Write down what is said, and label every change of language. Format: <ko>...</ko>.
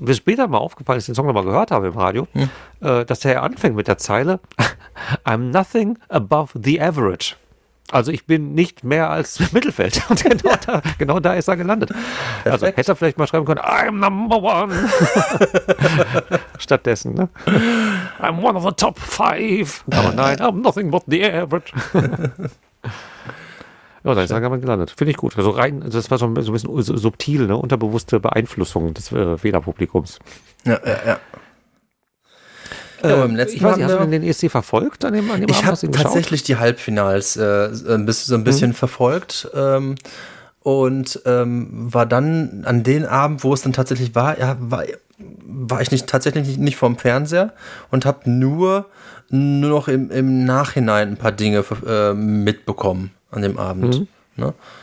<de>Mir später mal aufgefallen, dass ich den Song nochmal gehört habe im Radio, dass der anfängt mit der Zeile</de> <en>I'm nothing above the average.</en> <de>Also ich bin nicht mehr als Mittelfeld. Und genau da ist er gelandet. Perfekt. Also hätte er vielleicht mal schreiben können,</de> <en>I'm number one.</en> <de>Stattdessen, ne?</de> <en>I'm one of the top five.</en> <de>Aber nein,</de> <en>I'm nothing but the average.</en> <de>Ja, da ist er damit gelandet. Finde ich gut. Also rein, das war so ein bisschen subtil, ne? Unterbewusste Beeinflussung des Wählerpublikums. Ja. Ja, hast du den ESC verfolgt? Ich habe tatsächlich die Halbfinals so ein bisschen verfolgt und war dann an den Abend, wo es dann tatsächlich war, ja, war ich tatsächlich nicht vorm Fernseher und habe nur noch im Nachhinein ein paar Dinge mitbekommen an dem Abend. Mhm. Ne?</de>